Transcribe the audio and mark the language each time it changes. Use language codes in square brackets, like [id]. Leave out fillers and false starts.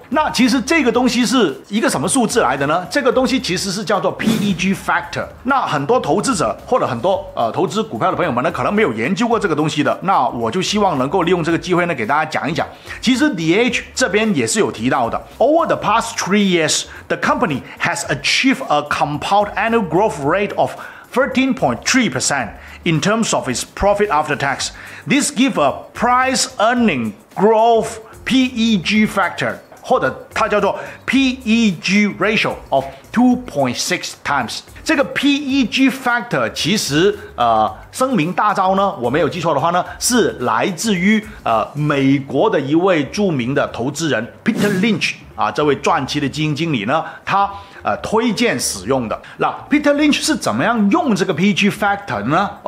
[zh] 那其实这个东西是一个什么数字来的呢？这个东西其实是叫做 PEG factor。那很多投资者或者很多投资股票的朋友们呢，可能没有研究过这个东西的。那我就希望能够利用这个机会呢，给大家讲一讲。其实 DH 这边也是有提到的。 [en] Over the past 3 years, the company has achieved a compound annual growth rate of 13.3% in terms of its profit after tax. This gives a price earning growth. PEG factor [zh] 或者它叫做 [en] PEG ratio of 2.6 times。 [zh] 这个 PEG factor 其实声名大噪呢，我没有记错的话呢，是来自于美国的一位著名的投资人 Peter Lynch 啊，这位传奇的基金经理呢，他推荐使用的。那 Peter Lynch 是怎么样用这个 PEG factor 呢？